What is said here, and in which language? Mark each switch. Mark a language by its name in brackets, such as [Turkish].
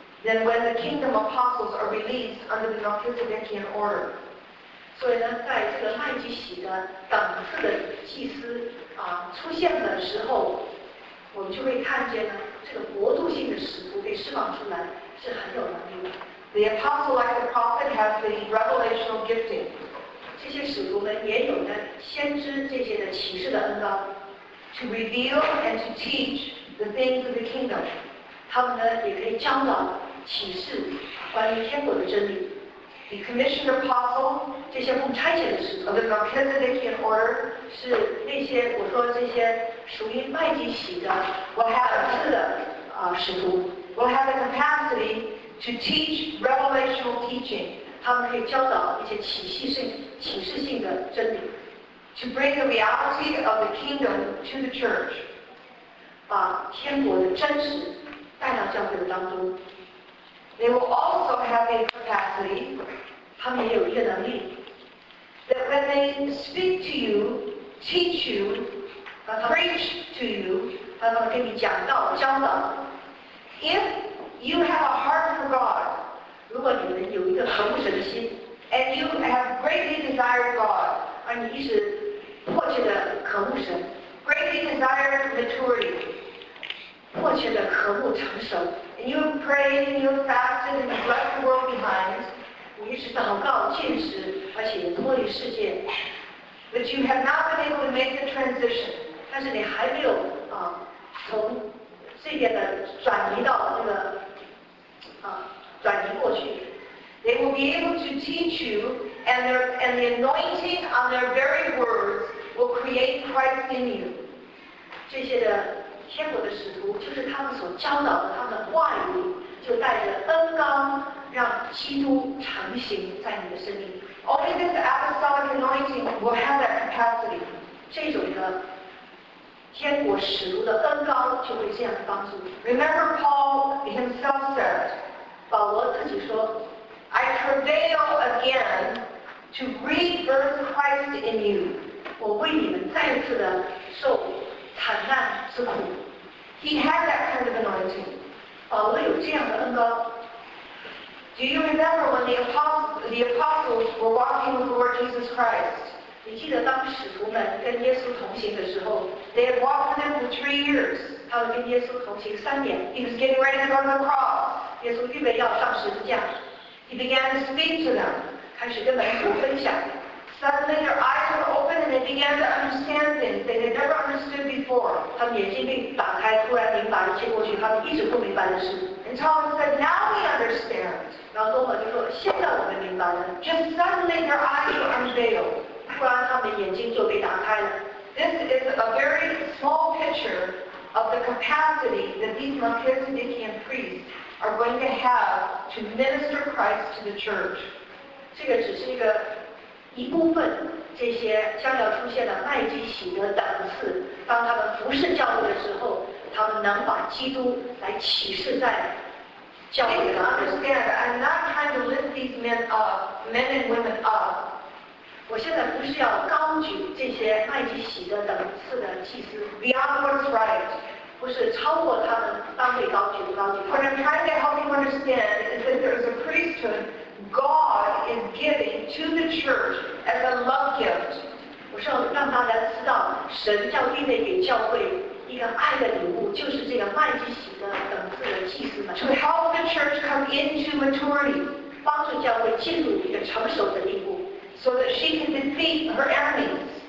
[English] Then, when the kingdom apostles are released under the Melchizedekian order, [Chinese] 所以呢，在这个麦基洗的等次的祭司出现的时候，我们就会看见呢，这个国度性的使徒被释放出来是很有能力的。 [English] The apostle, like the prophet, has the revelational gifting. [Chinese] 这些使徒呢，也有呢先知这些的启示的恩膏 [English] ，to reveal and to teach the things of the kingdom. [Chinese] 他们呢也可以教导启示关于天国的真理。 [English] The commissioned apostle, [Chinese] 这些奉差遣的使徒 [English] ，the Melchizedekian order, [Chinese] 是那些我说这些属于麦基洗的 [English] ，will have [Chinese] 次的 [English] 使徒 will have the capacity to teach revelational teaching. [Chinese] 他们可以教导一些启示性的真理。 [English] To bring the reality of the kingdom to the church. [Chinese] 把天国的真实带到教会的当中。 [English] They will also have a capacity, [Chinese] 他们也有一个能力。 [English] That when they speak to you, teach you, preach to you, [Chinese] 他们给你讲道教导。 [English] If you have a heart for God, [Chinese] 如果你们有一个合乎神的心 [English] ,and you have greatly desired God, [Chinese] 而你一直迫切的渴慕神 [English] ,greatly desired maturity, [Chinese] 迫切的渴慕成熟 [English] ,and you have prayed, and you have fasted, and you left the world behind, [Chinese] 你一直祷告禁食而且脱离世界 [English] ,but you have not been able to make the transition, [Chinese] 但是你还没有从这边的转移到那个转移过去。 [English] They will be able to teach you, and the anointing on their very words will create Christ in you. [Chinese] 这些的天国的使徒，就是他们所教导的，他们的话语，就带着恩膏，让基督成形在你的生命。 [English] Only this apostolic anointing will have that capacity. [Chinese] 这种的天国使徒的恩膏就会这样的帮助。 [English] Remember Paul himself said. [Chinese] 保罗自己说。 [English] I travail again to rebirth Christ in you. [Chinese] 我为你们再次的受惨难之苦。 [English] He had that kind of anointing. [Chinese] 保罗有这样的恩膏。 [English] Do you remember when the apostles were walking with the Lord Jesus Christ? [Chinese] 你记得当使徒们跟耶稣同行的时候 ， [English] They had walked with him for 3 years. [Chinese] 他们跟耶稣同行3年。 [English] He was getting ready to go to the cross. [Chinese] 耶稣预备要上十字架。 [English] He began to speak to them, [Chinese] 开始跟门徒分享。 [English] Suddenly their eyes were opened and they began to understand things they had never understood before. [Chinese] 他们眼睛被打开，突然明白一切过去他们一直不明白的事。 [English] And Thomas said, now we understand. [Chinese] 然后多马就说，现在我们明白了。 [English] Just suddenly their eyes were unveiled. [Chinese] 突然他们眼睛就被打开了。 [English] This is a very small picture of the capacity that these Melchizedekian priests are going to have to minister Christ to the church. [Chinese] 这个只是一个一部分这些将要出现的麦基洗德等次当他们服侍教会的时候他们能把基督来启示在教会 [English] 的 understand, I'm not trying to lift these men up, men and women up. [Chinese] 我现在不是要高举这些麦基洗德等次的祭司 [English] beyond what's right. [Chinese] 不是超过他们当被高举的高举。 [English] What I'm trying to help you understand is that there is a priesthood God is giving to the church as a love gift. [Chinese] 我是要让大家知道，神要预备给教会一个爱的礼物，就是这个麦基洗德等次的祭司们。 [English] To help the church come into maturity, [Chinese] 帮助教会进入一个成熟的地步 [English] ，so that she can defeat her enemies.